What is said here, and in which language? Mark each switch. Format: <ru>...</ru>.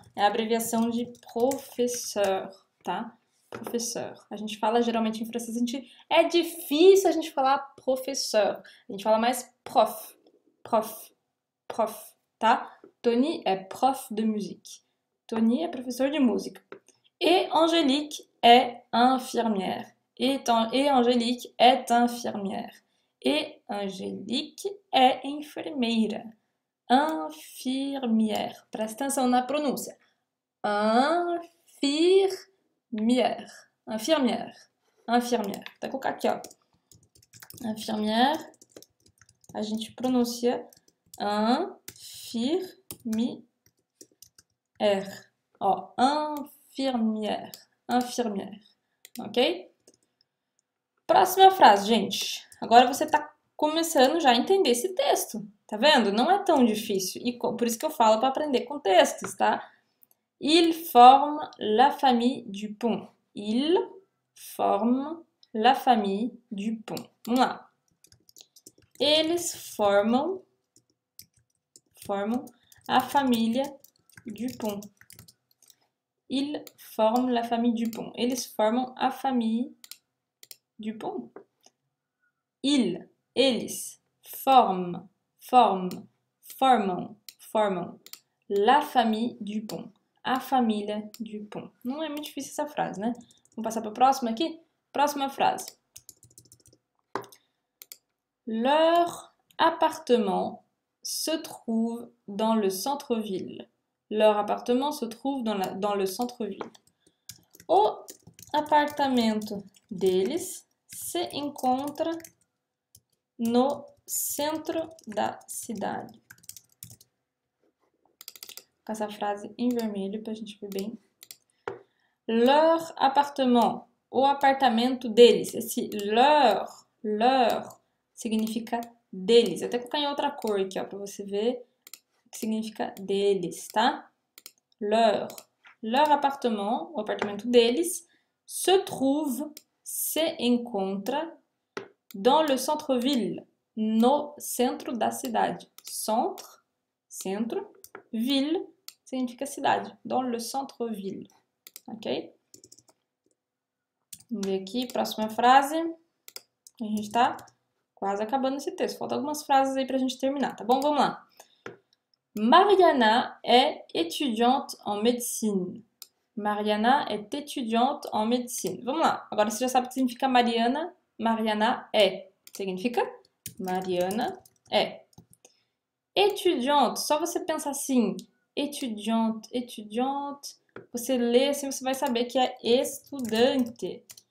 <pt>É a abreviação de professeur, tá? Professeur. A gente fala geralmente em francês, é difícil a gente falar professeur. A gente fala mais prof, prof, prof, tá? Tony é</pt> <fr>prof de musique.</fr> <pt>Tony é professor de música.</pt> <fr>Et Angélique est infirmière. Et Angélique est infirmière. Et Angélique est</fr> <pt>enfermeira.</pt> <fr>Infirmière.</fr> <pt>Presta atenção na pronúncia.</pt> <fr>Infirmière. Infirmière. Infirmière.</fr> <pt>Tá com o aqui, ó.</pt> <fr>Infirmière.</fr> <pt>A gente pronuncia infirmière.</pt> <fr>Ó, infirmière. Infirmière. Ok?</fr> <pt>Próxima frase, gente. Agora você tá começando já a entender esse texto. Tá vendo? Não é tão difícil. E por isso que eu falo para aprender com textos, tá?</pt> <fr>Il forme la famille Dupont. Il forme la famille Dupont.</fr> <pt>Vamos lá. Eles formam a família Dupont.</pt> <fr>Il forme la famille Dupont.</fr> <pt>Eles formam a família Dupont. Eles formam</pt> <fr>la famille Dupont.</fr> <pt>A família Dupont. Não é muito difícil essa frase, né? Vamos passar para a próxima aqui? Próxima frase.</pt> <fr>Leur appartement se trouve dans le centre-ville. Leur appartement se trouve dans le centre-ville.</fr> <pt>O apartamento deles se encontra no centro da cidade. Com essa frase em vermelho para a gente ver bem.</pt> <fr>Leur appartement.</fr> <pt>O apartamento deles. Esse leur significa deles. Até colocar em outra cor aqui, ó, para você ver o que significa deles, tá?</pt> <fr>Leur appartement,</fr> <pt>o apartamento deles,</pt> <fr>se trouve,</fr> <pt>se encontra,</pt> <fr>dans le centre-ville,</fr> <pt>no centro da cidade. Centre, centro, ville, significa cidade,</pt> <fr>dans le centre-ville.</fr> <pt>Ok? Vamos ver aqui, próxima frase. A gente está quase acabando esse texto. Faltam algumas frases aí para a gente terminar, tá bom? Vamos lá.</pt> <fr>Mariana est étudiante en médecine. Mariana est étudiante en médecine.</fr> <pt>Vamos lá. Agora você já sabe o que significa Mariana. Mariana é. Significa? Mariana é.</pt> <fr>Étudiante.</fr> <pt>Só você pensa assim.</pt> <fr>Étudiante, étudiante.</fr> <pt>Você lê assim, você vai saber que é estudante.</pt>